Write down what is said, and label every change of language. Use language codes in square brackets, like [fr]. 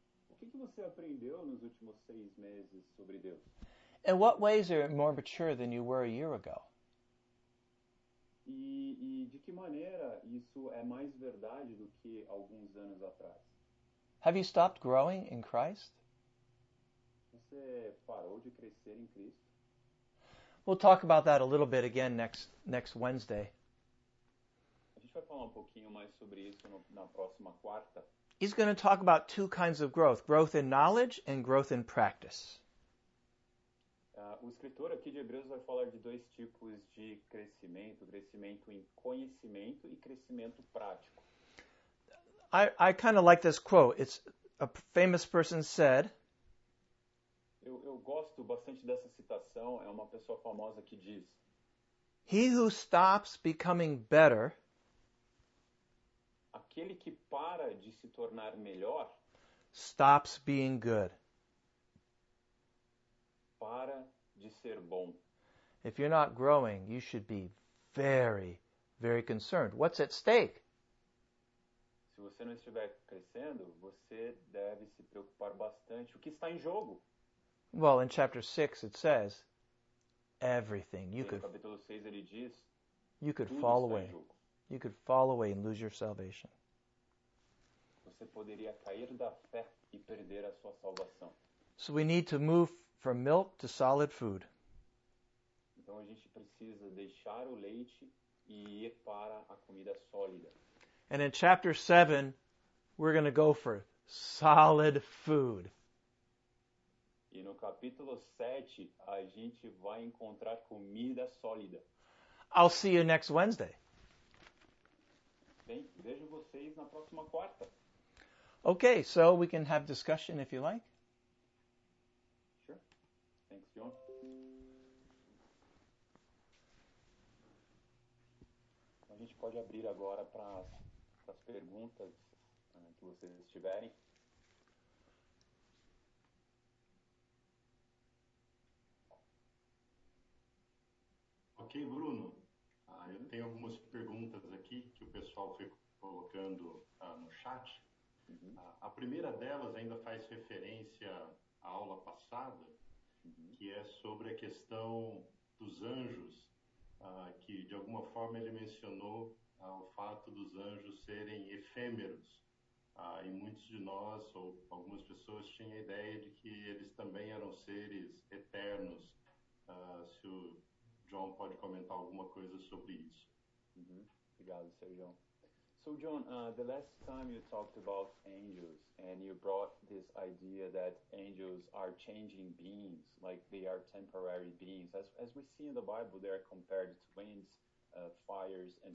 [pt] O que você aprendeu nos últimos 6 meses sobre Deus? [en] In what ways are you more mature than you were a year ago? [pt] E de que maneira isso é mais verdade do que alguns anos atrás? [en] Have you stopped growing in Christ? [pt] Você parou de crescer em Cristo? [en] We'll talk about that a little bit again next Wednesday. [pt] A gente vai falar um pouquinho mais sobre isso na próxima quarta. [en] He's going to talk about two kinds of growth, growth in knowledge and growth in practice. [pt] O escritor aqui de Hebreus vai falar de dois tipos de crescimento, crescimento em conhecimento e crescimento prático. [en] I kind of like this quote. It's a famous person said. [pt] Eu gosto bastante dessa citação. É uma pessoa famosa que diz. [en] He who stops becoming better. [pt] Aquele que para de se tornar melhor. [en] Stops being good. [pt] Para de ser bom. [en] If you're not growing, you should be very, very concerned. What's at stake? [pt] Se você não estiver crescendo, você deve se preocupar bastante. O que está em jogo? [en] Well, in chapter 6, it says everything. [pt] No capítulo 6, ele diz, [en] you could fall away. You could fall away and lose your salvation. [pt] Você poderia cair da fé e perder a sua salvação. [en] So we need to move from milk to solid food. [pt] Então a gente precisa deixar o leite e ir para a comida sólida. [en] And in chapter 7, we're going to go for solid food. [pt] E no capítulo 7, a gente vai encontrar comida sólida. [en] I'll see you next Wednesday. [pt] Bem, vejo vocês na próxima quarta. [en] Okay, so we can have discussion if you like. Sure. Thanks, John. [pt] A gente pode abrir agora para as perguntas que vocês tiverem. Ok, Bruno. Eu tenho algumas perguntas aqui que o pessoal foi colocando no chat. A primeira delas ainda faz referência à aula passada, que é sobre a questão dos anjos, que de alguma forma ele mencionou o fato dos anjos serem efêmeros. E muitos de nós, ou algumas pessoas, tinham a ideia de que eles também eram seres eternos. Se o John pode comentar alguma coisa sobre isso. Obrigado, Sr. John. [en] So, John, the last time you talked about angels and you brought this idea that angels are changing beings, like they are temporary beings. As we see in the Bible, they are compared to winds, fires, and